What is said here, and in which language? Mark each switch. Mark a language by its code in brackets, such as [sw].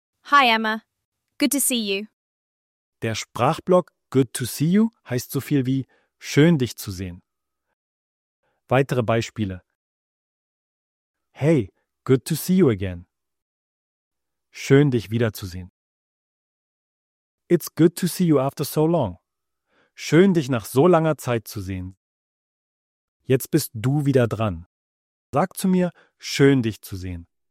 [en] Hi, Emma. Good to see you. [de] Der Sprachblock [en] Good to see you [de] heißt so viel wie schön, dich zu sehen. Weitere Beispiele. [en] Hey, good to see you again. [de] Schön, dich wiederzusehen. [en] It's good to see you after so long. [de] Schön, dich nach so langer Zeit zu sehen. Jetzt bist du wieder dran. Sag zu mir, schön, dich zu sehen.